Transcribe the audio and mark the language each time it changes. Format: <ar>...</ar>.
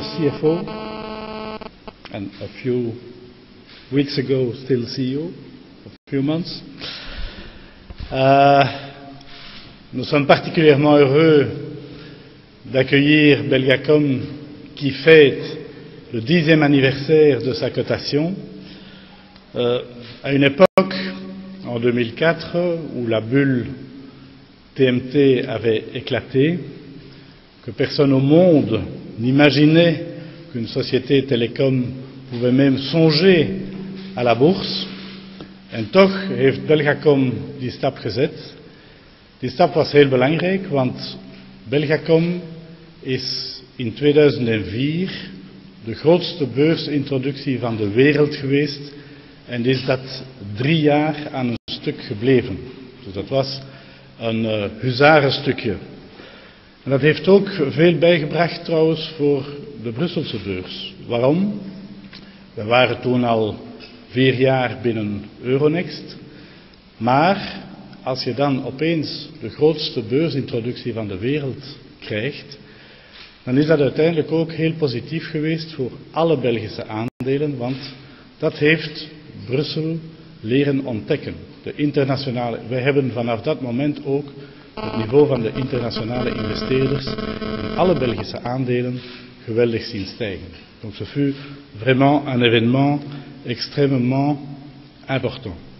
<en>CFO, and a few weeks ago still CEO, a few months.</en> <fr>Nous sommes particulièrement heureux d'accueillir Belgacom qui fête le 10e anniversaire de sa cotation à une époque, en 2004, où la bulle TMT avait éclaté, que personne au monde n'imaginait qu'une société télécom pouvait même songer à la bourse.</fr> <nl>En toch heeft Belgacom die stap gezet. Die stap was heel belangrijk, want Belgacom is in 2004 de grootste beursintroductie van de wereld geweest en is dat 3 jaar aan een stuk gebleven. Dus dat was een huzarenstukje. En dat heeft ook veel bijgebracht trouwens voor de Brusselse beurs. Waarom? We waren toen al 4 jaar binnen Euronext. Maar als je dan opeens de grootste beursintroductie van de wereld krijgt, dan is dat uiteindelijk ook heel positief geweest voor alle Belgische aandelen, want dat heeft Brussel leren ontdekken. De internationale, we hebben vanaf dat moment ook het niveau van de internationale investeerders in alle Belgische aandelen geweldig zien stijgen.</nl> <fr>Donc ce fut vraiment un événement extrêmement important.</fr>